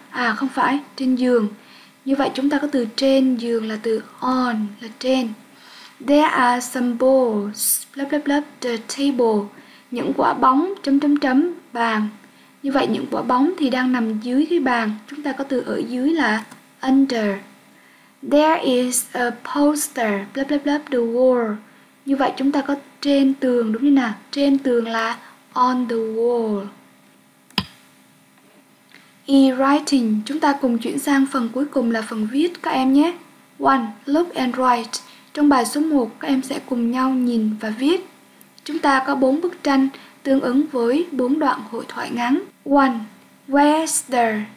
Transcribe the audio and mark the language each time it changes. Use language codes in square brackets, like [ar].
[vi] À không phải, trên giường. Như vậy chúng ta có từ trên giường là từ on, là trên. [en] There are some balls .. the table. [vi] những quả bóng bàn. Như vậy những quả bóng thì đang nằm dưới cái bàn. Chúng ta có từ ở dưới là under. [en] There is a poster blah blah blah the wall. [vi] Như vậy chúng ta có trên tường, đúng như nào? Trên tường là on the wall. E writing, chúng ta cùng chuyển sang phần cuối cùng là phần viết các em nhé. 1. [en] Look and write. [vi] Trong bài số 1, các em sẽ cùng nhau nhìn và viết. Chúng ta có 4 bức tranh tương ứng với 4 đoạn hội thoại ngắn. 1. [en] Where's the?